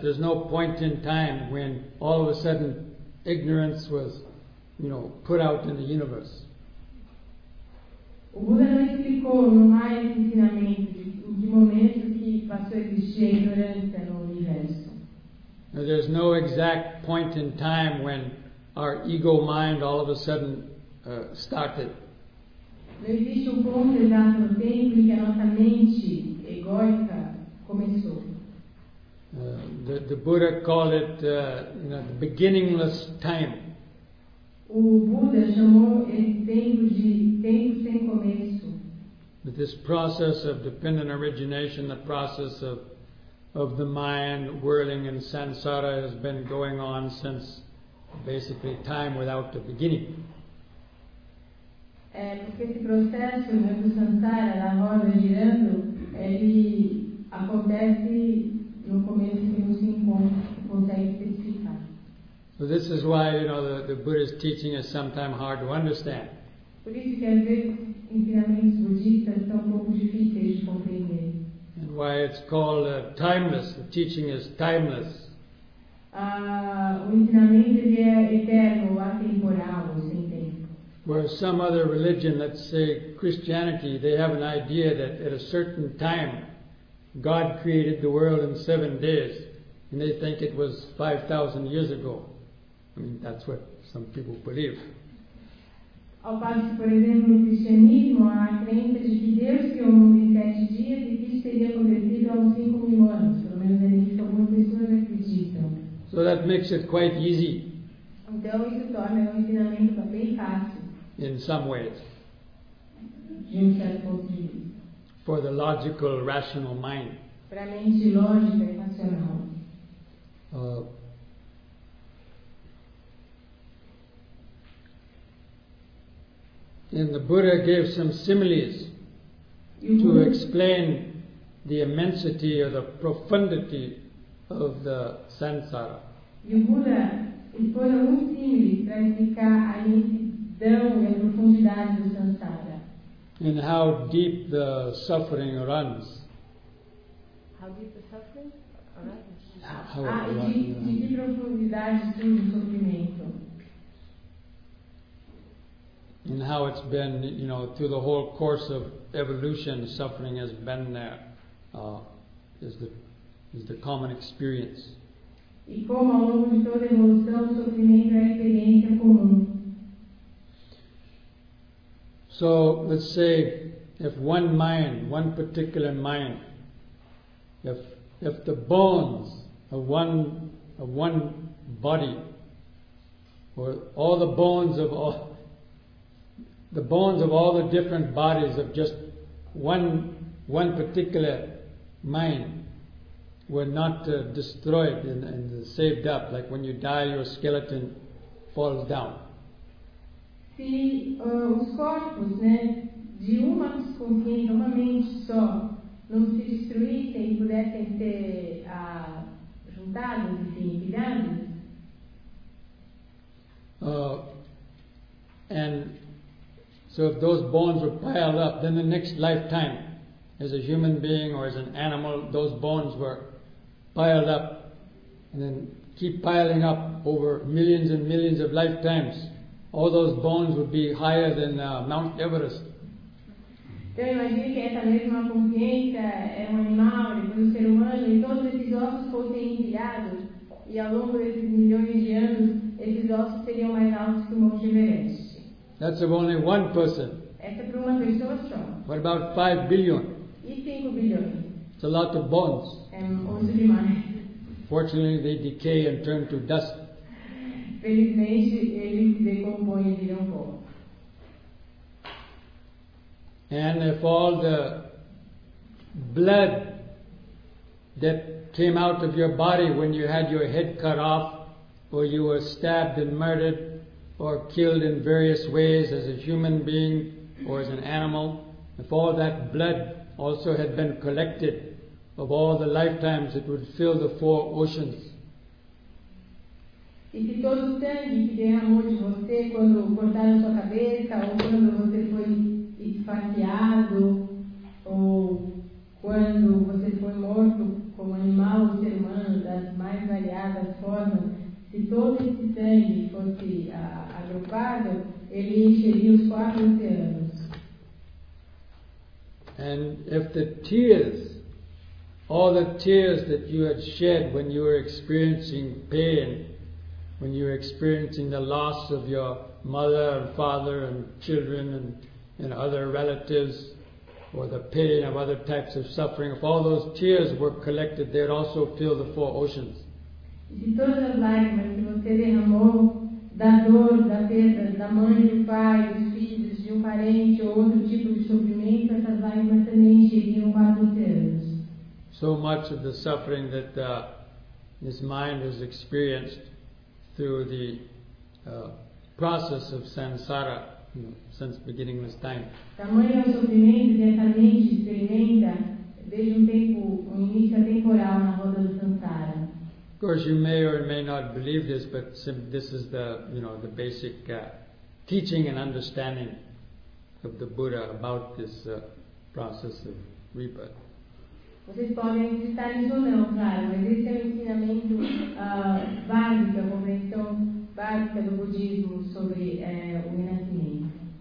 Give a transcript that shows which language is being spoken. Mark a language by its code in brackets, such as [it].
[en] There's no point in time when all of a sudden ignorance was, you know, put out in the universe. [pt] O Buda não explicou, não há esse ensinamento de momento que passou a existir a ignorância no universo. [en] Now, there's no exact point in time when our ego mind all of a sudden started. [pt] Não existe um ponto exato no tempo em que a nossa mente egoica começou. [en] The Buddha called it you know, the beginningless time. [pt] O Buda chamou esse tempo de tempo sem começo. [en] But this process of dependent origination, the process of the mind whirling in samsara has been going on since basically time without the beginning. [pt] É porque esse processo do samsara, da roda girando, ele acontece no começo que não se encontra, não consegue especificar. [en] So this is why, you know, the Buddha's teaching is sometimes hard to understand. [pt] Por isso que às vezes ensinamentos budistas são um pouco difíceis de compreender. [en] And why it's called timeless, the teaching is timeless. [pt] O ensinamento ele é eterno, atemporal, sem tempo. [en] Whereas some other religion, let's say Christianity, they have an idea that at a certain time, God created the world in 7 days, and they think it was 5,000 years ago. I mean, that's what some people believe. [pt] Ao passo que, por exemplo, no cristianismo, há a crença de que Deus criou o mundo em 7 dias e que isso teria acontecido há 5,000 anos. Pelo menos é isso que algumas pessoas acreditam. [en] So that makes it quite easy. [pt] Então isso torna o ensinamento bem fácil. [en] In some ways. [pt] De um certo ponto de vista. [en] For the logical, rational mind. [pt] Para a mente lógica e racional. [en] And the Buddha gave some similes to explain the immensity or the profundity of the samsara. [pt] E o Buda expôs alguns símiles para explicar a imensidão e a profundidade do samsara. [en] And how deep the suffering runs. How deep the suffering runs? How [pt] de que profundidade tem o sofrimento. [en] And how it's been, you know, through the whole course of evolution, suffering has been there, is the common experience. [pt] E como ao longo de toda evolução, sofrimento é a experiência comum. [en] So let's say if one mind, one particular mind, if the bones of one body, or all the bones of all the bones of all the different bodies of just one particular mind were not destroyed and saved up, like when you die your skeleton falls down. [pt] Se os corpos, né, de uma corpinha, uma mente só, não se destruíssem e pudessem ser juntados, enfim, empilhados. [en] And so if those bones were piled up, then the next lifetime, as a human being or as an animal, those bones were piled up and then keep piling up over millions and millions of lifetimes. All those bones would be higher than Mount Everest. [pt] Então imagine que essa mesma consciência é um animal, depois um ser humano, e todos esses ossos fossem empilhados, e ao longo desses milhões de anos, esses ossos seriam mais altos que o Monte Everest. [en] That's of only one person. [pt] Essa é para uma pessoa só. [en] What about 5 billion? [pt] E 5 bilhões? [en] It's a lot of bones. [pt] É um osso demais. [en] Fortunately, they decay and turn to dust. [pt] Felizmente, eles se decompõem e viram pó. [en] And if all the blood that came out of your body when you had your head cut off, or you were stabbed and murdered, or killed in various ways as a human being or as an animal, if all that blood also had been collected of all the lifetimes, it would fill the four oceans. [pt] E se todo o sangue que derramou de você quando cortaram sua cabeça, ou quando você foi esfaqueado, ou quando você foi morto como animal ou ser humano das mais variadas formas, se todo esse sangue fosse agrupado, ele encheria os quatro oceanos. [en] And if the tears, all the tears that you had shed when you were experiencing pain, when you were experiencing the loss of your mother and father and children and other relatives, or the pain of other types of suffering, if all those tears were collected, they would also fill the four oceans. [pt] De todas as lágrimas que você derramou, da dor, da perda, da mãe, do pai, dos filhos, de parente ou outro tipo de sofrimento, essas lágrimas também encheriam quatro oceanos. [en] So much of the suffering that his mind has experienced through the process of samsara, you know, since beginning this time. [pt] Tamanho o sofrimento que essa mente experimenta desde tempo, o início temporal na roda do samsara. [en] Of course, you may or may not believe this, but this is the, you know, the basic teaching and understanding of the Buddha about this process of rebirth. [pt] Vocês podem acreditar nisso ou não, claro, mas esse é o ensinamento básico, a compreensão básica do budismo sobre o renascimento.